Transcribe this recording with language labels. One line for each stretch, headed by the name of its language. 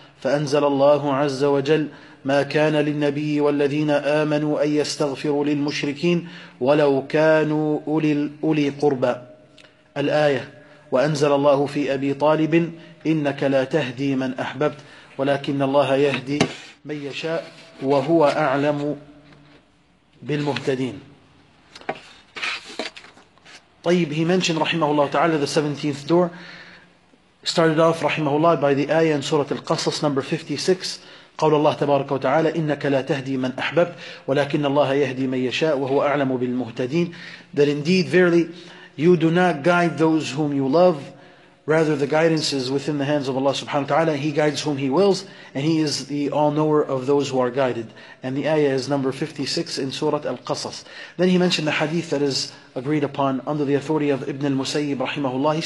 Arabic: فأنزل الله عز وجل: ما كان للنبي والذين آمنوا أن يستغفروا للمشركين ولو كانوا أولي قربى. الآية. وأنزل الله في أبي طالب: إنك لا تهدي من أحببت ولكن الله يهدي من يشاء وهو أعلم بالمهتدين.
English: طيب، he mentioned
Arabic: رحمه الله تعالى
English: the 17th door. Started off
Arabic: رحمه الله
English: by the ayah in سورة القصص number 56.
Arabic: قول الله تبارك وتعالى: إنك لا تهدي من أحببت ولكن الله يهدي من يشاء وهو أعلم بالمهتدين.
English: That indeed, verily, you do not guide those whom you love. Rather, the guidance is within the hands of Allah subhanahu wa ta'ala. He guides whom He wills, and He is the all-knower of those who are guided. And the ayah is number 56 in Surah Al-Qasas. Then he mentioned the hadith that is agreed upon under the authority of Ibn al-Musayyib rahimahullah.